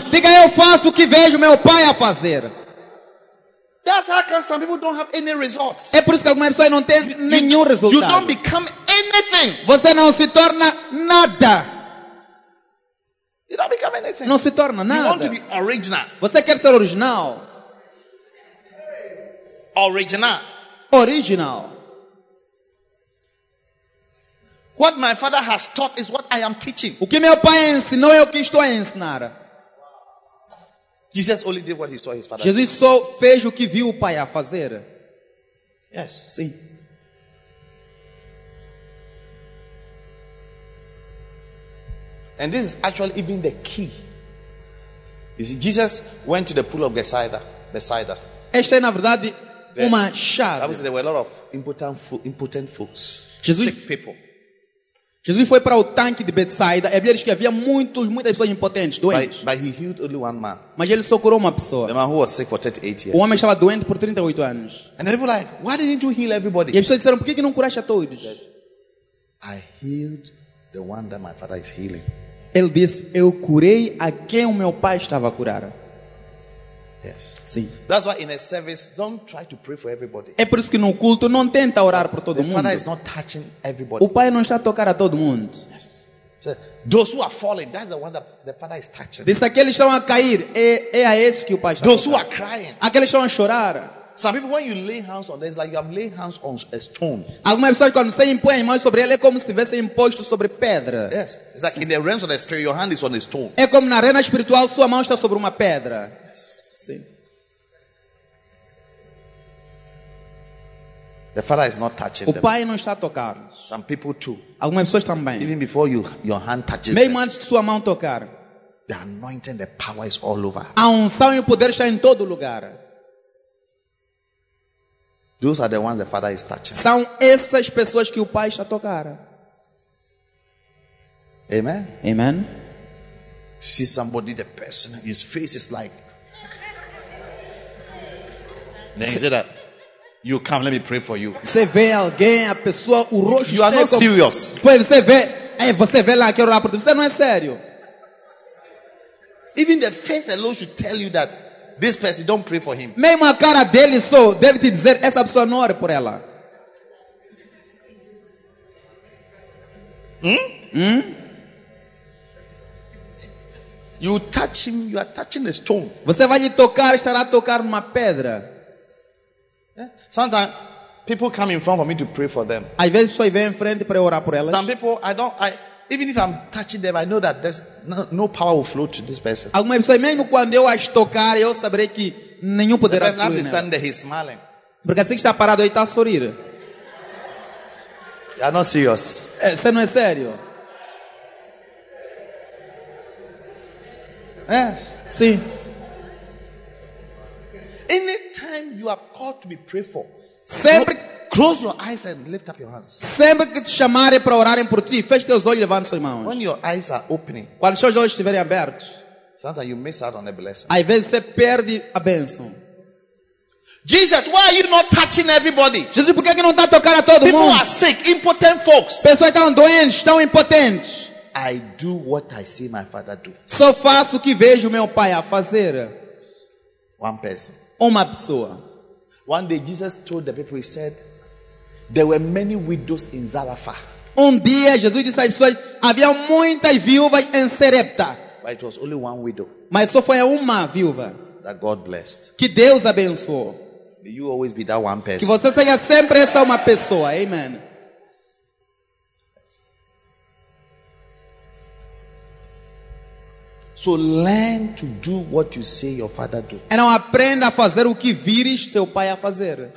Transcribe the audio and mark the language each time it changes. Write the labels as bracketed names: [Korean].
[Portuguese] Diga eu faço o que vejo meu pai a fazer. [English] That's how come some people don't have any results. [Portuguese] É por isso que algumas pessoas não têm nenhum resultado. [English] You don't become anything. [Portuguese] Você não se torna nada. [English] You don't become anything. [Portuguese] Não se torna nada. [English] You want to be original. [Portuguese] Você quer ser original. [English] Original. [Portuguese] Original. [English] What my father has taught is what I am teaching. [Portuguese] O que meu pai ensinou é o que estou a ensinar. [English] Jesus only did what he saw his father. [Portuguese] Jesus só fez o que viu o pai a fazer. [English] Yes. [Portuguese] Sim. [English] And this is actually even the key. You see, Jesus went to the pool of Bethesda. [Portuguese] Esta é na verdade uma chave. [English] Obviously, there were a lot of impotent folks, [Portuguese] Jesus, [English] sick people. [Portuguese] Jesus foi para o tanque de Bethesda. E havia, diz que havia muitas pessoas impotentes, doentes. [English] But he healed only one man. [Portuguese] Mas ele só curou uma pessoa. [English] The man who was sick for 38 years. [Portuguese] O homem estava doente por 38 anos. [English] And people were like, why didn't you heal everybody? [Portuguese] E as pessoas disseram, por que não curaste a todos? [English] I healed the one that my father is healing. [Portuguese] Ele disse, eu curei a quem o meu pai estava a curar. [English] Yes. [Portuguese] Sim. [English] That's why in a service, don't try to pray for everybody. [Portuguese] É por isso que no culto não tenta orar por todo mundo. [English] The father is not touching everybody. [Portuguese] O pai não está a tocar a todo mundo. [English] Yes. So, those who are falling, that's the one that the father is touching. [Portuguese] Diz aqueles que estão a cair, é a esse que o pai está a tocar. [English] Those who are crying. [Portuguese] Aqueles que estão a chorar. [English] Some people, when you lay hands on them, it's like you have laid hands on a stone. [Portuguese] Algumas pessoas quando você impõe as mãos sobre ele é como se tivesse imposto sobre pedra. [English] Yes, it's like in the realms of the spirit, your hand is on a stone. [Portuguese] É como na arena espiritual sua mão está sobre uma pedra. [English] Yes. [Portuguese] Sim. [English] The father is not touching [Portuguese] o pai [English] them. [Portuguese] Não está a tocar. [English] Some people too. [Portuguese] Algumas pessoas também. [English] Even before your hand touches [Portuguese] mesmo antes de sua mão tocar. [English] The anointing, the power is all over. [Portuguese] A unção e o poder está em todo lugar. [English] Those are the ones the father is touching. [Portuguese] São essas pessoas que o pai está a tocar. [English] Amen. [Portuguese] Amen. [English] See somebody, the person, his face is like. Then he said that, you come, let me pray for you. [Portuguese] Você vê alguém, a pessoa, o rosto. [English] You are not serious. [Portuguese] Pois você vê, você vê lá aquele rapaz, você não é sério. [English] Even the face alone should tell you that. This person, don't pray for him. [Portuguese] Mesmo a cara dele só deve te dizer, essa pessoa não ore por ela. Hmm? [English] You touch him, you are touching a stone. [Portuguese] Você vai lhe tocar, estará a tocar uma pedra. [English] Sometimes people come in front for me to pray for them. [Portuguese] Às vezes só vem em frente para orar por elas. [English] Some people even if I'm touching them, I know that there's no power will flow to this person. [Portuguese] Algumas pessoas, mesmo quando eu as tocar, eu saberei que nenhum poderá fluir. [English] The person is standing there, he's smiling. [Portuguese] Porque assim que está parado, ele está a sorrir. [English] You are not serious. [Portuguese] Você não é sério. [English] Yes. [Portuguese] Sim. [English] Anytime you are called to be prayed for, [Portuguese] sempre. [English] Close your eyes and lift up your hands. [Portuguese] Sempre que te chamarem para orarem por ti, feche teus olhos e levante suas mãos. [English] When your eyes are opening, [Portuguese] quando seus olhos estiverem abertos, [English] sometimes you miss out on a blessing. [Portuguese] Às vezes você perde a bênção. [English] Jesus, why are you not touching everybody? [Portuguese] Jesus, por que não está a tocar a todo [English] People [Portuguese] mundo? [English] People are sick, impotent folks. [Portuguese] Pessoas estão doentes, estão impotentes. [English] I do what I see my father do. [Portuguese] Só faço o que vejo meu pai a fazer. [English] One person. [Portuguese] Uma pessoa. [English] One day Jesus told the people, he said, there were many widows in Zarephath. [Portuguese] Um dia Jesus disse às pessoas, havia muitas viúvas em Sarepta. [English] But it was only one widow. [Portuguese] Mas só foi uma viúva. [English] That God blessed. [Portuguese] Que Deus abençoou. [English] May you always be that one person. [Portuguese] Que você seja sempre essa uma pessoa. Amen. [English] So learn to do what you say your father do. [Portuguese] Então aprenda a fazer o que vires seu pai a fazer.